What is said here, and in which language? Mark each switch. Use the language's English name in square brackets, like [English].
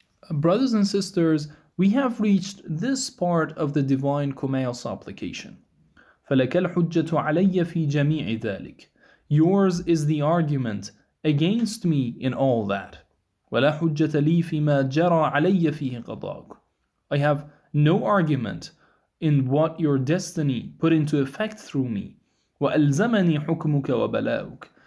[English] Brothers and sisters, we have reached this part of the Divine Kumail supplication. [Arabic] فلك الحجة علي في جميع ذلك. [English] Yours is the argument against me in all that. [Arabic] وَلَا حُجَّةَ لِي فِيمَا جَرَى عَلَيَّ فِيهِ قَضَاءُكَ. [English] I have no argument in what your destiny put into effect through me. [Arabic] وَأَلْزَمَنِي حُكْمُكَ وَبَلَاءُكَ.